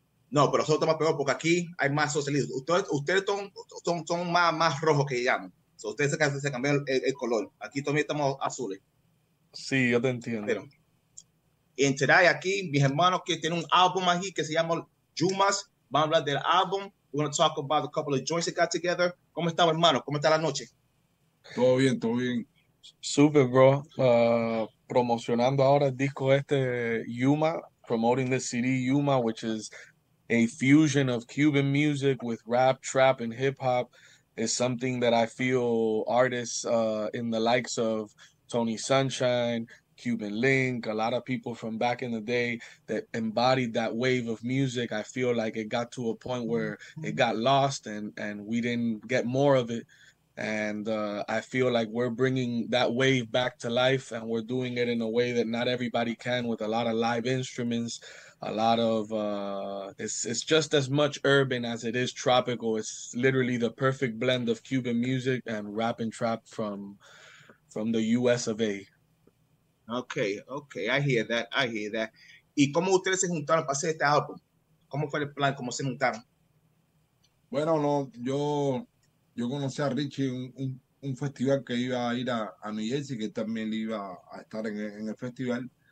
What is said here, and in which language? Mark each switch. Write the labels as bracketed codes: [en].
[es] No, pero eso está más peor porque aquí hay más socialistas. Ustedes son más rojos que llaman. So ustedes se cambian el color. Aquí también estamos azules. Sí, yo te entiendo. Pero, y en today aquí, mis hermanos que tienen un álbum aquí que se llama Yumas. Van a hablar del álbum. [en] We're going to talk about a couple of joints that got together. [es] ¿Cómo estamos, hermano? ¿Cómo está la noche? Todo bien. Super, bro. Promocionando ahora el disco este Yuma. [en] Promoting the CD Yuma, which is a fusion of Cuban music with rap, trap, and hip-hop, is something that I feel artists in the likes of Tony Sunshine, Cuban Link, a lot of people from back in the day that embodied that wave of music. I feel like it got to a point where it got lost and we didn't get more of it. And I feel like we're bringing that wave back to life, and we're doing it in a way that not everybody can, with a lot of live instruments. A lot of it's just as much urban as it is tropical. It's literally the perfect blend of Cuban music and rap and trap from the U.S. of A. Okay, I hear that. [es] ¿Y cómo ustedes se juntaron para hacer este álbum? ¿Cómo fue el plan? ¿Cómo se juntaron? Bueno, no, yo conocí a Richy en un festival que iba a ir a New Jersey, que también iba a estar en el festival.